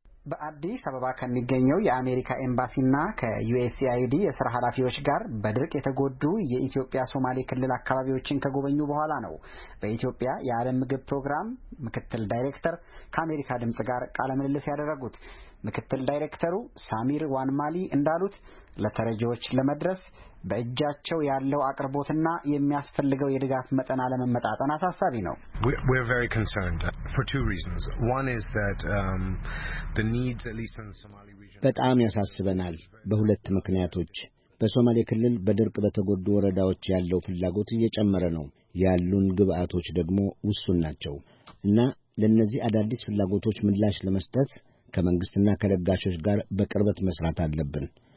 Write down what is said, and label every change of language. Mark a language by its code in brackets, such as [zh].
[am] በአዲስ አበባ ከሚገኘው የአሜሪካ ኤምባሲና ከዩኤስኤአይዲ የሥራ ኃላፊዎች ጋር በድርቅ የተጎዱ የኢትዮጵያ ሶማሌ ክልል አካባቢዎችን ከጎበኙ በኋላ ነው በኢትዮጵያ የዓለም ምግብ ፕሮግራም ምክትል ዳይሬክተር ከአሜሪካ ድምጽ ጋር ቃለ ምልልስ ያደረጉት። ምክትል ዳይሬክተሩ ሳሚር ዋንማሊ እንዳሉት ለተረጂዎች ለመድረስ በእጃቸው ያለው አቅርቦትና የሚያስፈልገው የድጋፍ መጠን አለመመጣጠን አሳሳቢ ነው። [en] We're very concerned for two reasons. One is that the needs at least in the Somali region [am] በጣም ያሳስበናል። በሁለት ምክንያቶች በሶማሌ ክልል በድርቅ በተጎዱ ወረዳዎች ያለው ፍላጎት እየጨመረ ነው። ያሉን ግብአቶች ደግሞ ውሱን ናቸው። እና ለነዚህ አዳዲስ ፍላጎቶች ምላሽ ለመስጠት ከመንግስትና ከለጋሾች ጋር በቅርበት መስራት አለብን።